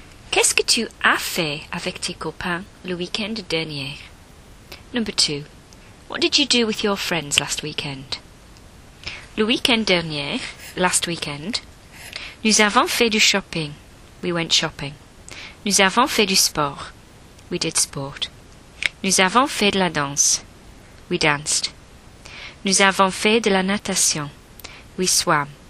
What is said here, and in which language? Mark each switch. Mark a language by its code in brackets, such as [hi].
[fr] Qu'est-ce que tu as fait avec tes copains le week-end dernier? [en] Number 2. What did you do with your friends last weekend? [fr] Le week-end dernier, [en] last weekend, [fr] nous avons fait du shopping. [en] We went shopping. [fr] Nous avons fait du sport. [en] We did sport. [fr] Nous avons fait de la danse. [en] We danced. [fr] Nous avons fait de la natation. [en] We swam.